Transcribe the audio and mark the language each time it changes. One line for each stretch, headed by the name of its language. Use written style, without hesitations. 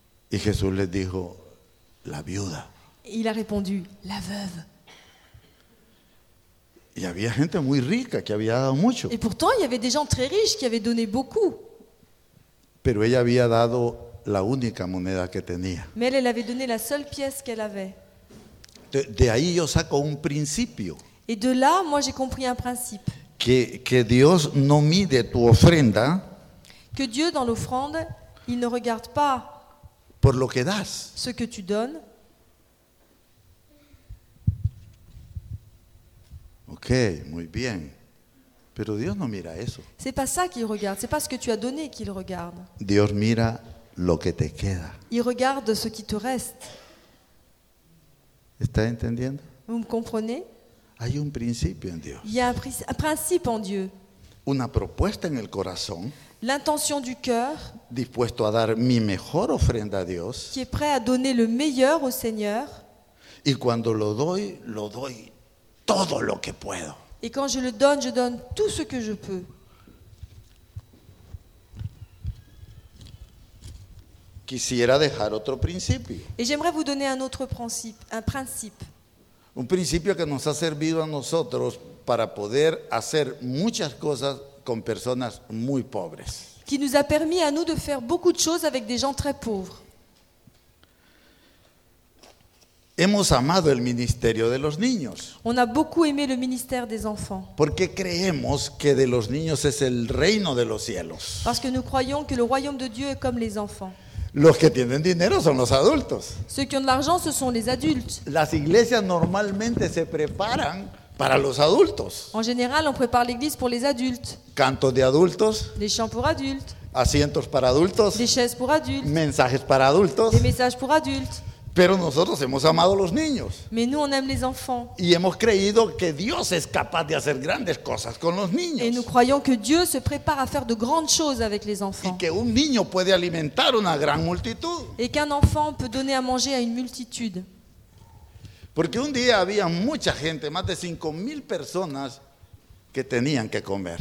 Spanish: Y Jesús les dijo, la viuda.
French: Il a répondu, la veuve.
Spanish: Y había gente muy rica que había dado mucho.
French: Et pourtant, il y avait des gens très riches qui avaient donné beaucoup.
Spanish: Pero ella había dado la única moneda que tenía.
French: Mais elle avait donné la seule pièce qu'elle avait.
Spanish: De ahí yo saco un principio.
French: Et de là, moi j'ai compris un principe.
Spanish: Que Dios no mide tu ofrenda.
French: Que Dieu dans l'offrande, il ne regarde pas.
Spanish: Por lo que das.
French: Ce que tu donnes.
Spanish: Ok, muy bien. Pero Dios no mira eso.
French: C'est pas ça qu'il regarde, c'est pas ce que tu as donné qu'il regarde.
Spanish: Dios mira lo que te queda.
French: Il regarde ce qui te reste.
Spanish: ¿Estás entendiendo?
French: Vous me comprenez?
Spanish: Hay un principio en Dios.
French: Il y a un principe en Dieu.
Spanish: Una propuesta en el corazón.
French: L'intention du cœur.
Spanish: Dispuesto a dar mi mejor ofrenda a Dios.
French: Qui est prêt à donner le meilleur au Seigneur.
Spanish: Y cuando lo doy todo lo que puedo.
French: Et quand je le donne, je donne tout ce que je peux.
Spanish: Quisiera dejar otro principio.
French: Et j'aimerais vous donner un autre principe, un principe.
Spanish: Un principio que nos ha servido a nosotros para poder hacer muchas cosas con personas muy pobres.
French: Qui nous a permis à nous de faire beaucoup de choses avec des gens très pauvres.
Spanish: Hemos amado el ministerio de los niños.
French: On a beaucoup aimé le ministère des enfants.
Spanish: Porque creemos que de los niños es el reino de los cielos.
French: Parce que nous croyons que le royaume de Dieu est comme les enfants.
Spanish: Los que tienen dinero son los adultos.
French: Ceux qui ont de l'argent, ce sont les adultes.
Spanish: Las iglesias normalmente se preparan para los adultos.
French: En général, on prépare l'église pour les adultes.
Spanish: Cantos de adultos.
French: Des chants pour adultes.
Spanish: Asientos para adultos.
French: Des chaises pour adultes.
Spanish: Mensajes para adultos.
French: Des messages pour adultes.
Spanish: Pero nosotros hemos amado los niños.
French: Mais nous, on aime les enfants.
Spanish: Y hemos creído que Dios es capaz de hacer grandes cosas con los niños.
French: Et nous croyons que Dieu se prépare à faire de grandes choses avec les enfants.
Spanish: Y que un niño puede alimentar una gran multitud.
French: Et qu'un enfant peut donner à manger à une multitude.
Spanish: Porque un día había mucha gente, más de 5,000 personas que tenían que comer.